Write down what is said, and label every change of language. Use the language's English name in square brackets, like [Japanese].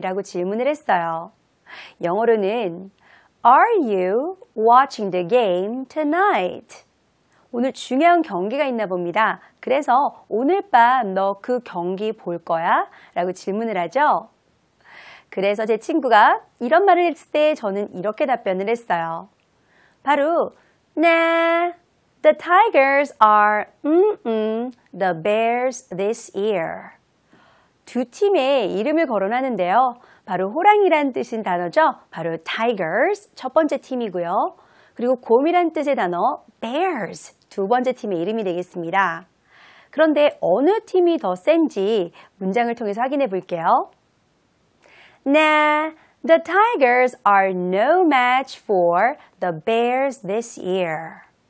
[Korean] 라고 질문을 했어요. 영어로는 [English] Are you watching the game tonight? [Korean] 오늘 중요한 경기가 있나 봅니다. 그래서 오늘 밤 너 그 경기 볼 거야? 라고 질문을 하죠. 그래서 제 친구가 이런 말을 했을 때 저는 이렇게 답변을 했어요. [English] 바로 Nah, the Tigers are the Bears this year. [Korean] 두 팀의 이름을 거론하는데요. 바로 호랑이란 뜻인 단어죠. 바로 Tigers 첫 번째 팀이고요. 그리고 곰이란 뜻의 단어 Bears 두 번째 팀의 이름이 되겠습니다. 그런데 어느 팀이 더 센지 문장을 통해서 확인해 볼게요. [English] Nah, the Tigers are no match for the Bears this year.